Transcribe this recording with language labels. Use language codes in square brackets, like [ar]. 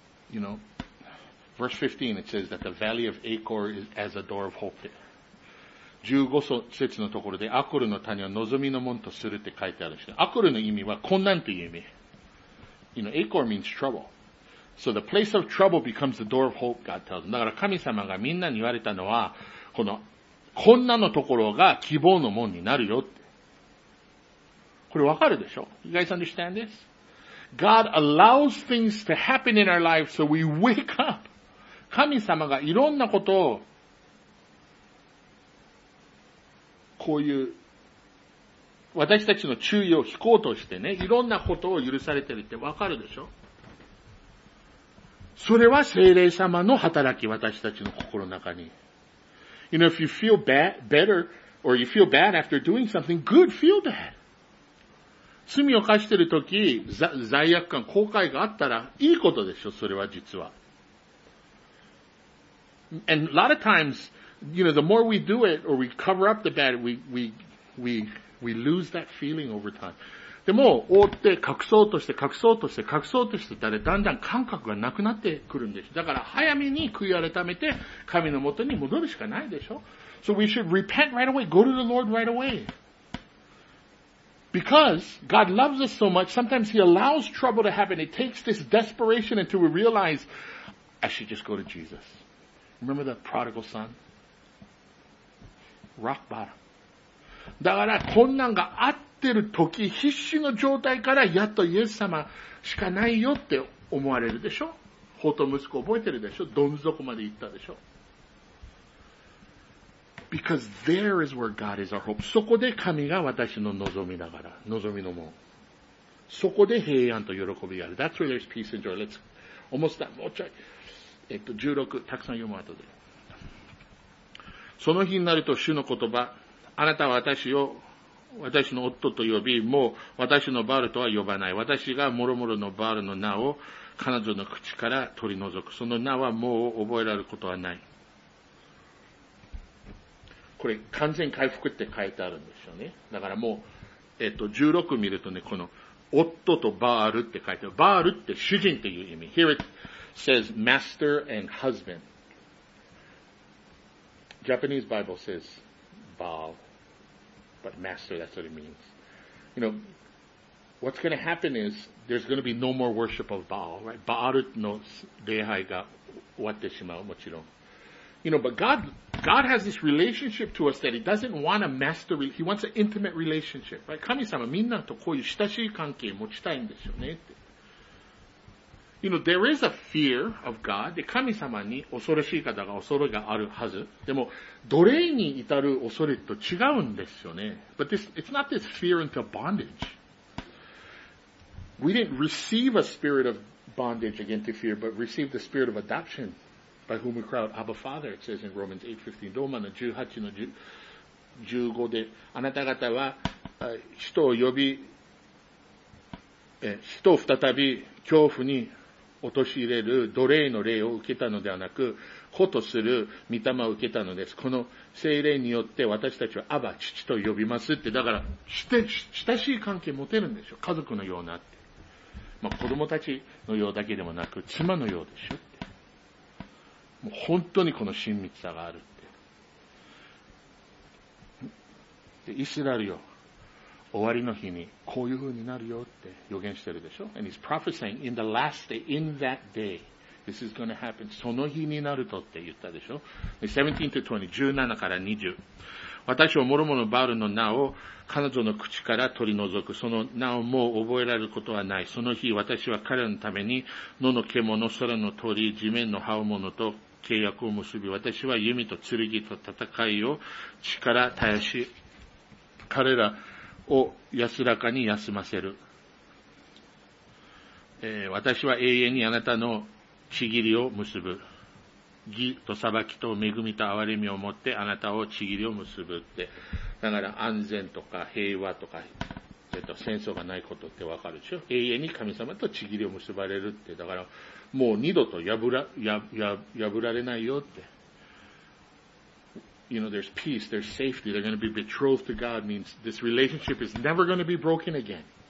[en] You know, verse 15 it says that the valley of Achor is as a door of hope. [ja] 15節のところで、アクルの谷を望みの門とするって書いてあるし、アクルの意味は困難という意味。 [en] You know, Achor means trouble. So the place of trouble becomes the door of hope, God tells them. [ja] だから神様がみんなに言われたのは、この困難のところが希望の門になるよって。これわかるでしょ? [en] You guys understand this? God allows things to happen in our lives so we wake up. [ja] 神様がいろんなことをこういう、私たちの注意を引こうとしてね、いろんなことを許されてるってわかるでしょ? それは聖霊様の働き、私たちの心の中に。 [en] You know, if you feel bad, better, or you feel bad after doing something, good, feel bad. [ja] 罪を犯してるとき、罪悪感、後悔があったら、いいことでしょ、それは実は。 [en] And a lot of times,You know, the more we do it, or we cover up the bad, we lose that feeling over time. [ja] でも、覆って、隠そうとして、隠そうとして、隠そうとしてたら、だんだん感覚がなくなってくるんです。だから、早めに悔い改めて、神の元に戻るしかないでしょ。 [en] So we should repent right away, go to the Lord right away. Because God loves us so much, sometimes He allows trouble to happen. It takes this desperation until we realize, I should just go to Jesus. Remember the prodigal son? Rock bottom. [ja] だから困難があってる時、必死の状態からやっとイエス様しかないよって思われるでしょ。ほと息子覚えてるでしょ。どん底まで行ったでしょ。 [en] Because there is where God is our hope. [ja] そこで神が私の望みだから、望みのもん。そこで平安と喜びがある。 [en] That's where there's peace and joy. Let's almost done. [ja] もうちょい。16、たくさん読む後で。その日になると主の言葉、あなたは私を私の夫と呼び、もう私のバールとは呼ばない。私が諸々のバールの名を彼女の口から取り除く。その名はもう覚えられることはない。これ、完全回復って書いてあるんですよね。だからもう、16見るとね、この、夫とバールって書いてある。バールって主人っていう意味。 [en] Here it says master and husband. Japanese Bible says Baal, but master, that's what it means. You know, what's going to happen is there's going to be no more worship of Baal, right? [ja] Baal の礼拝が終わってしまう、もちろん。 [en] You know, but God has this relationship to us that He doesn't want a master, He wants an intimate relationship, right? [ja] 神様みんなとこういう親しい関係持ちたいんですよねって。 [en] You know, there is a fear of God. [ja] で、神様に恐ろしい方が恐れがあるはず。でも、奴隷に至る恐れと違うんですよね。 [en] But this, it's not this fear into bondage. We didn't receive a spirit of bondage again to fear, but received the spirit of adoption. By whom we cry out, Abba Father, it says in Romans 8:15. [ja] ローマの18の15で、あなた方は、人を再び恐怖に陥れる奴隷の霊を受けたのではなく、子とする御霊を受けたのです。この聖霊によって私たちはアバ、父と呼びますって、だから、親しい関係持てるんでしょ。家族のようなって。まあ、子供たちのようだけでもなく、妻のようでしょ。もう本当にこの親密さがあるって。で、イスラエルよ、終わりの日にこういう風になるよって予言してるでしょ。 [en] And he's prophesying in the last day, in that day, this is going to happen. [ja] その日になるとって言ったでしょ。で、17-20。私は諸々のバールの名を彼女の口から取り除く。その名をもう覚えられることはない。その日、私は彼のために野の獣、空の鳥、地面の這うものと契約を結び、私は弓と剣と戦いを力絶やし、彼らを安らかに休ませる。私は永遠にあなたの契りを結ぶ。義と裁きと恵みと憐れみを持ってあなたを契りを結ぶって。だから安全とか平和とか、戦争がないことってわかるでしょ。永遠に神様と契りを結ばれるって。だから、もう二度と破られないよって。 [en] You know, there's peace, there's safety, they're going to be betrothed to God means this relationship is never going to be broken again.